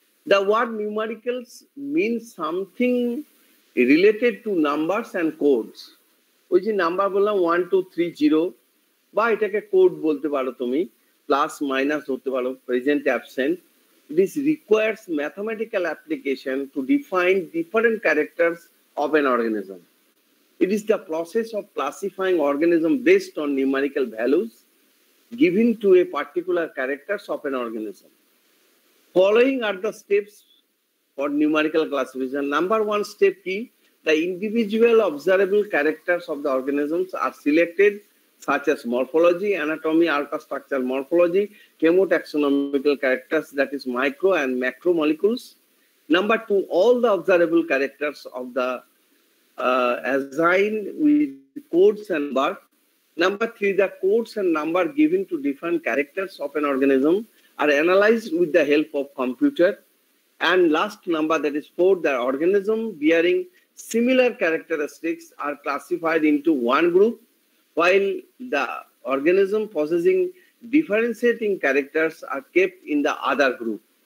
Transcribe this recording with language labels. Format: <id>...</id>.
<en>The word numericals means something related to numbers and codes.</en> <bn>ওই যে number বললাম 1 2 3 0 বা এটাকে কোড বলতে পারো তুমি, প্লাস মাইনাস হতে পারো, present absent,</bn> <en>This requires mathematical application to define different characters of an organism. It is the process of classifying organism based on numerical values giving to a particular characters of an organism. Following are the steps for numerical classification. Number one step কি, the individual observable characters of the organisms are selected such as morphology, anatomy, ultrastructural morphology, chemotaxonomical characters, that is micro and macro molecules. Number two, all the observable characters of the assigned with codes and number. Number three, the codes and number given to different characters of an organism are analyzed with the help of computer. And last number, that is four, the organism bearing similar characteristics are classified into one group, while the organism possessing differentiating characters are kept in the other group.</en>